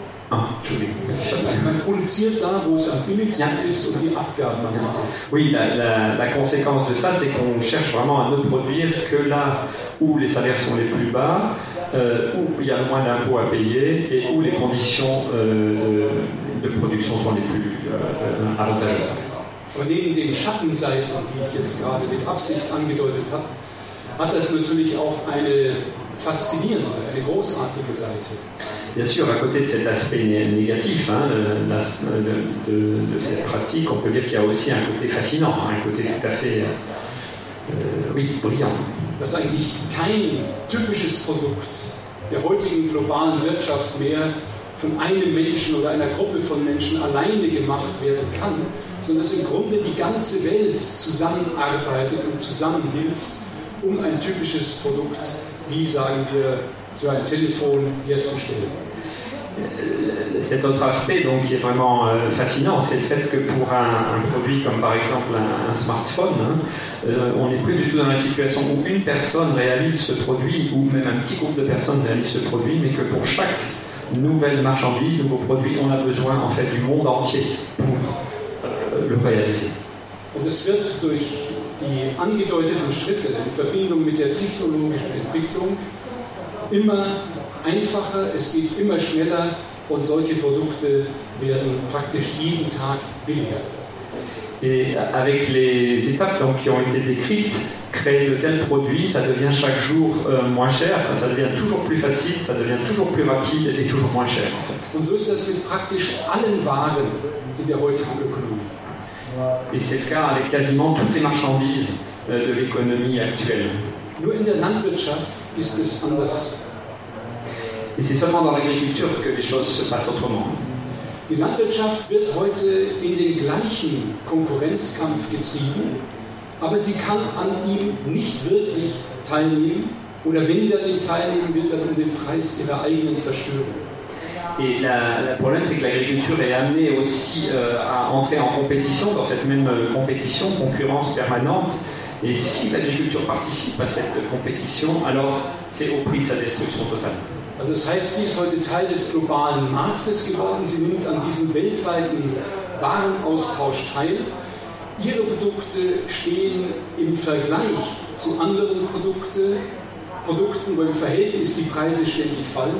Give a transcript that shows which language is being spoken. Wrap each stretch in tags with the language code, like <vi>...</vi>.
<de>Man produziert da, wo es am billigsten ist und die Abgaben am niedrigsten.</de> <fr>Oui, la conséquence de ça, c'est qu'on cherche vraiment à ne produire que là où les salaires sont les plus bas, où il y a le moins d'impôts à payer et où les conditions de production sont les plus avantageuses.</fr> <de>Aber neben den Schattenseiten, die ich jetzt gerade mit Absicht angedeutet habe, hat das natürlich auch eine faszinierende, eine großartige Seite.</de> <fr>Bien sûr, à côté de cet aspect négatif hein, de cette pratique, on peut dire qu'il y a aussi un côté fascinant, un côté tout à fait brillant.</fr> <de>Dass eigentlich kein typisches Produkt der heutigen globalen Wirtschaft mehr von einem Menschen oder einer Gruppe von Menschen alleine gemacht werden kann, sondern dass im Grunde die ganze Welt zusammenarbeitet und zusammenhilft, um ein typisches Produkt, wie sagen wir, so ein Telefon herzustellen.</de> <fr>Cet autre aspect donc, qui est vraiment fascinant, c'est le fait que pour un produit comme par exemple un smartphone, hein, on n'est plus du tout dans la situation où une personne réalise ce produit, ou même un petit groupe de personnes réalise ce produit, mais que pour chaque nouvelle marchandise, nouveau produit, on a besoin en fait du monde entier pour le réaliser.</fr> <de>Und es wird durch die angedeuteten Schritte in Verbindung mit der technologischen Entwicklung immer einfacher, es geht immer schneller. Und solche Produkte werden praktisch jeden Tag billiger.</de> <fr>Et avec les étapes donc, qui ont été décrites, créer de tels produits, ça devient chaque jour moins cher, ça devient toujours plus facile, ça devient toujours plus rapide et toujours moins cher.</fr> <de>Und so ist das mit praktisch allen Waren in der heutigen Ökonomie.</de> <fr>Et c'est le cas avec quasiment toutes les marchandises de l'économie actuelle.</fr> <de>Nur in der Landwirtschaft ist es anders.</de> <fr>Et c'est seulement dans l'agriculture que les choses se passent autrement.</fr> <de>Die Landwirtschaft wird heute in den gleichen Konkurrenzkampf getrieben, aber sie kann an ihm nicht wirklich teilnehmen, oder wenn sie an ihm teilnehmen, wird dann um den Preis ihrer eigenen zerstören.</de> <fr>Et le problème, c'est que l'agriculture est amenée aussi à entrer en compétition, dans cette même compétition, concurrence permanente, et si l'agriculture participe à cette compétition, alors c'est au prix de sa destruction totale.</fr> <de>Also das heißt, sie ist heute Teil des globalen Marktes geworden, sie nimmt an diesem weltweiten Warenaustausch teil. Ihre Produkte stehen im Vergleich zu anderen Produkten, wo im Verhältnis die Preise ständig fallen.</de>